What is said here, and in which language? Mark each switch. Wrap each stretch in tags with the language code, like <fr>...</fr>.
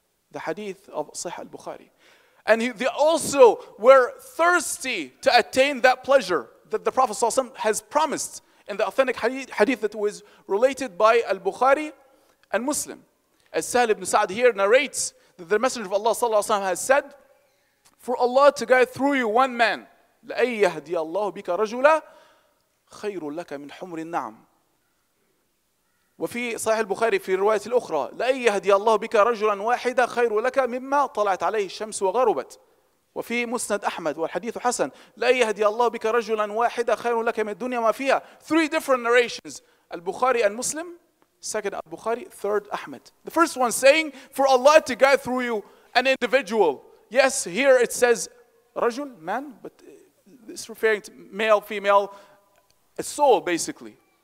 <en>The hadith of Sahih al-Bukhari. And they also were thirsty to attain that pleasure that the Prophet ﷺ has promised in the authentic hadith that was related by al-Bukhari and Muslim. As Sahal ibn Sa'd here narrates that the Messenger of Allah ﷺ has said, for Allah to guide through you one man,</en> <ar>لَأَيْ يَهْدِيَ اللَّهُ بِكَ رَجُلًا خَيْرٌ لَكَ مِنْ حُمْرِ النَّعْمِ. وفي صحيح البخاري في الرواية الأخرى لأن يهدي الله بك رجلا واحدا خير لك مما طلعت عليه الشمس وغربت. وفي مسند أحمد والحديث حسن لأن يهدي الله بك رجلا واحدا خير لك من الدنيا ما فيها.</ar> <en>Three different narrations, البخاري and Muslim, second البخاري, third أحمد. The first one saying for Allah to guide through you an individual. Yes, here it says رجل, man, but it's referring to male, female, a soul basically.</en>